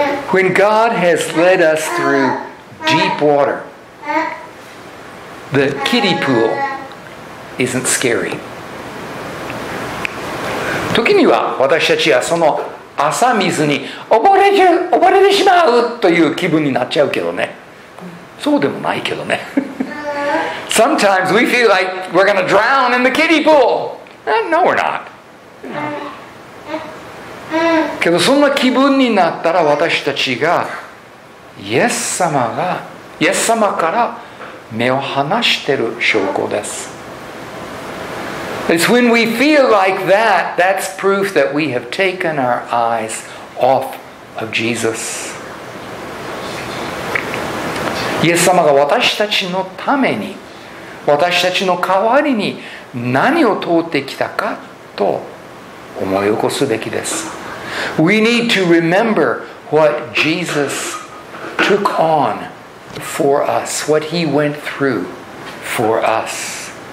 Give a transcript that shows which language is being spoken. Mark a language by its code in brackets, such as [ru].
[en] When God has led us through deep water, the kiddie pool isn't scary. [ja] 時には私たちはその浅水に溺れてしまうという気分になっちゃうけどね。そうでもないけどね。 [en] Sometimes we feel like we're going to drown in the kiddie pool. No, we're not. [ja] けどそんな気分になったら私たちがイエス様から目を離してる証拠です。 [en] It's when we feel like that, that's proof that we have taken our eyes off of Jesus. [ja] イエス様が私たちのために、私たちの代わりに何を通ってきたかと思い起こすべきです。 [en] We need to remember what Jesus took on for us, what he went through for us.